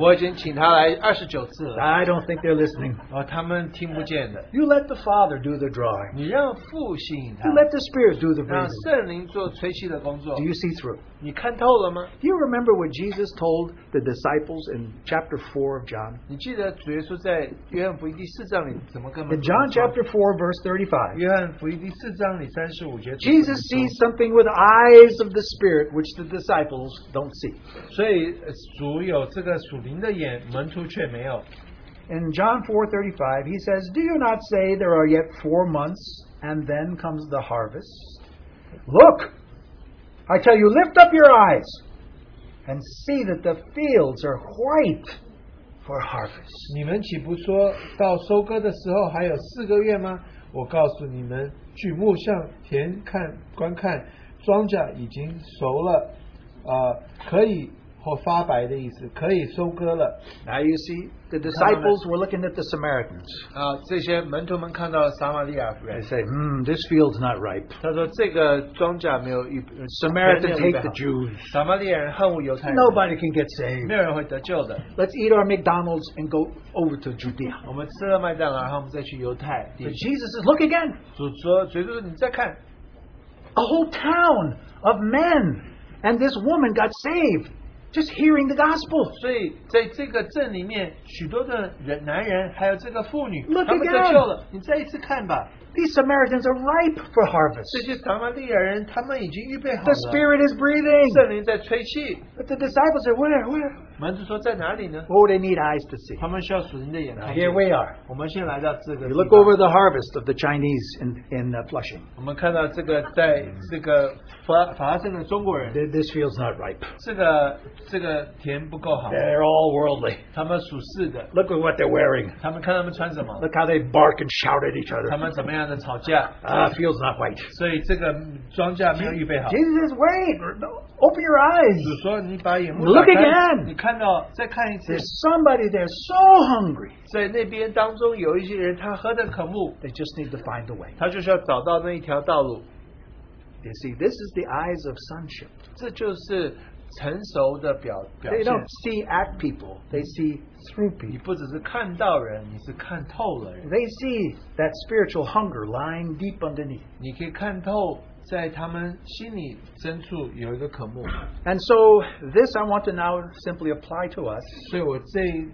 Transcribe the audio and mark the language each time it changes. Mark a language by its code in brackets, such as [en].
[zh] 我已经请他来29次了 [en] I don't think they're listening. [zh] 哦，他们听不见的 [en] You let the Father do the drawing. [zh] 你让 [en] You let the Spirit do the breathing. [zh] 让圣灵做吹气的工作。 [en] Do you see through? [zh] 你看透了吗？ [en] Do you remember what Jesus told the disciples in chapter 4 of John? [zh] 你记得主耶稣在约翰福音第四章里怎么跟我们说？ [en] In John chapter 4 verse 35. [zh] 约翰福音第四章里35节。 [en] Jesus sees something with eyes of the Spirit which the disciples don't see. [zh] 所以主有这个属灵的眼，门徒却没有。 [en] In John 4:35, he says, Do you not say there are yet 4 months, and then comes the harvest? Look, I tell you, lift up your eyes, and see that the fields are white for harvest. [zh] 你们岂不说到收割的时候还有四个月吗？我告诉你们，举目向田看，观看，庄稼已经熟了，可以或发白的意思，可以收割了。 [en] Now you see, the disciples were looking at the Samaritans. [zh] 这些门徒们看到了撒玛利亚人。 [en] They say, this field's not ripe. [zh] 他说这个庄稼没有预备。 [en] Samaritans hate the Jews. [zh] 撒玛利亚人恨恶犹太人。 [en] Nobody can get saved. [zh] 没有人会得救的。 [en] Let's eat our McDonald's and go over to Judea. [zh] 我们吃了麦当劳，然后我们再去犹太。 [en] But Jesus says, look again. [zh] 主耶稣说你再看。 [en] A whole town of men and this woman got saved. Just hearing the gospel. [zh] 所以在这个镇里面，许多的人，男人，还有这个妇女， [en] Look again. [zh] 他们得救了。你再一次看吧。 [en] These Samaritans are ripe for harvest. [zh] 这些撒玛利亚人, [en] the Spirit is breathing. [zh] 圣灵在吹气, [en] but the disciples are where? [zh] 门徒说在哪里呢? [en] Oh, they need eyes to see. [zh] 他们需要属灵的眼睛, [en] here we are. [zh] 我们先来到这个地方, [en] you look over the harvest of the Chinese in Flushing. [zh] 我们看到这个在这个发生的中国人, [en] this feels not ripe. [zh] 这个田不够好, [en] they're all worldly. [zh] 他们属世的, [en] look at what they're wearing. [zh] 他们看他们穿什么? [en] Look how they bark and shout at each other. [zh] 他们怎么样的吵架, [en] feels not right. [zh] 所以这个庄稼没有预备好, [en] Jesus says, wait, open your eyes. [zh] 主说你把眼目打开, [en] look again. [zh] 你看到, 再看一次, [en] there's somebody there so hungry. [zh] 在那边当中有一些人, 他喝得渴慕, [en] they just need to find a way. [zh] 他就需要找到那一条道路。 [en] You see, this is the eyes of sonship. [zh] 这就是成熟的表现。 [en] They don't see at people, they see through people. [zh] 你不只是看到人, 你是看透了人。 [en] They see that spiritual hunger lying deep underneath. [zh] 你可以看透, 在他们心里深处有一个渴慕。 [en] And so this I want to now simply apply to us.